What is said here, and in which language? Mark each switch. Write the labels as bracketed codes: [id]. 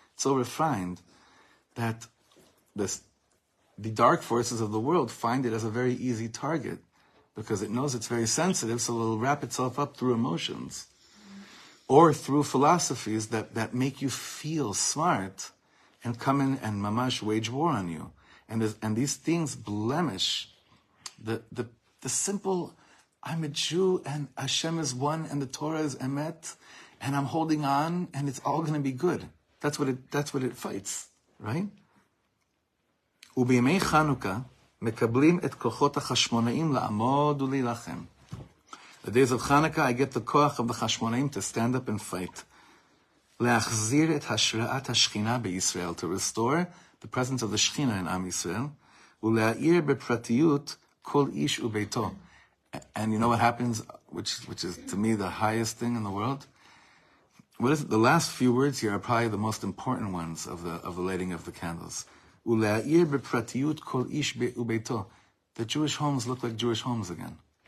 [en] So refined that the dark forces of the world find it as a very easy target because it knows it's very sensitive, so it'll wrap itself up through emotions or through philosophies that make you feel smart and come in and mamash wage war on you. And these things blemish the simple, I'm a Jew and Hashem is one and the Torah is emet and I'm holding on and it's all going to be good. That's what it fights, right? [he] ובימי חנוכה מקבלים את כוחות החשמונאים לעמוד ולהילחם. [en] The days of Chanukah, I get the koach of the chashmonaim to stand up and fight. [he] להחזיר את השראת השכינה בישראל, [en] to restore the presence of the Shechina in Am Yisrael, [he] ולהאיר בפרטיות כל איש וביתו. [en] And you know what happens, which is to me the highest thing in the world? What is it? The last few words here are probably the most important ones of the lighting of the candles. [he] Ule'ir b'pratiyut kol ish u'beito. [en] The Jewish homes look like Jewish homes again.